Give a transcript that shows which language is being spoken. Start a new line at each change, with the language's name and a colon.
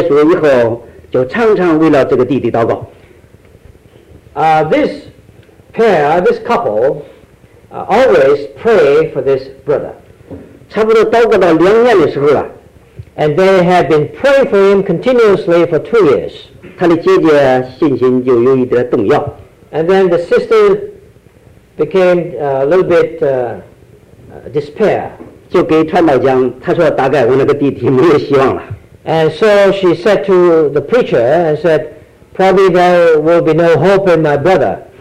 Chinese: 因为他的姐姐姐夫信耶稣以后，就常常为了这个弟弟祷告。
English: This pair, this couple, always pray for this brother.
Chinese: 差不多祷告到2年的时候了。
English: And they had been praying for him continuously for 2 years.
Chinese: 他的姐姐信心就有一点动摇。
English: And then the sister became a little bit despair.
Chinese: 就给传道讲，他说大概我那个弟弟没有希望了。
English: And so she said to the preacher and said, probably there will be no hope in my brother.